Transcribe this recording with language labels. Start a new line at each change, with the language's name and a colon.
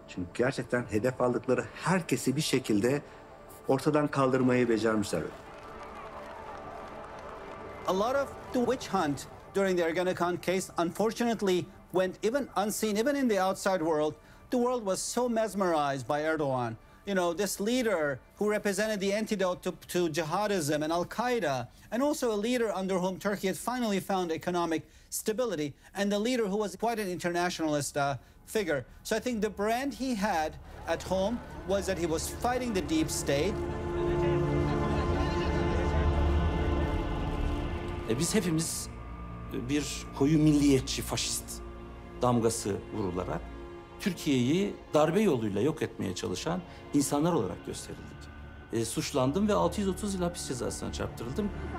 Turkish: Çünkü gerçekten hedef aldıkları herkesi bir şekilde ortadan kaldırmayı becermişler.
English: A lot of the witch hunt during the Ergenekon case unfortunately went even unseen, even in the outside world. The world was so mesmerized by Erdogan. You know, this leader who represented the antidote to jihadism and Al-Qaeda, and also a leader under whom Turkey had finally found economic stability, and the leader who was quite an internationalist figure. So I think the brand he had at home was that he was fighting the deep state.
Turkish: Biz hepimiz bir koyu milliyetçi, faşist damgası vurularak Türkiye'yi darbe yoluyla yok etmeye çalışan insanlar olarak gösterildik. Suçlandım ve 630 yıl hapis cezasına çarptırıldım.